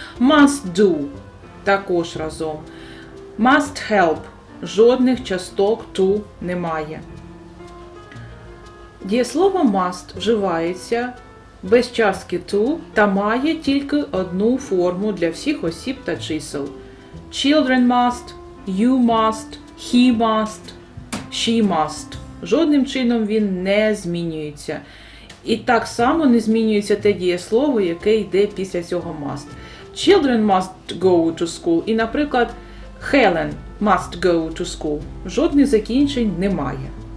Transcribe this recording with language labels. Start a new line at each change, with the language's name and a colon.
English: Must do.
Ukrainian: Також разом.
English: Must help.
Ukrainian: Жодних часток to немає. Дієслово must вживається без частки to та має тільки одну форму для всіх осіб та чисел.
English: Children must, you must, he must, she must.
Ukrainian: Жодним чином він не змінюється. І так само не змінюється те дієслово, яке йде після цього must.
English: Children must go to school.
Ukrainian: І, наприклад,
English: Helen must go to school.
Ukrainian: Жодних закінчень немає.